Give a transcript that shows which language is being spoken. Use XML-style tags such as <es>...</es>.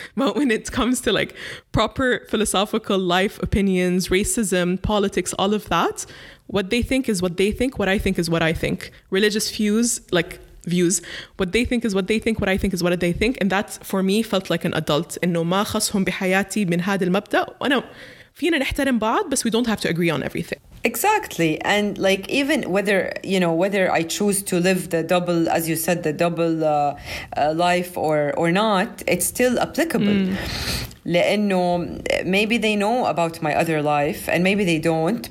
<en>But when it comes to like proper philosophical life opinions, racism, politics, all of that, what they think is what they think, what I think is what I think. Religious views, like views, what they think is what they think, what I think is what they think. And that, for me, felt like an adult.</en> <ar>إنه ما خصهم بحياتي من هذا المبدأ. وأنا فينا نحترم بعض,</ar> <en>but we don't have to agree on everything. Exactly. And like, even whether, you know, whether I choose to live the double, as you said, the double life or not, it's still applicable.</en> <ar>لأنه</ar> <en>maybe they know about my other life and maybe they don't.</en>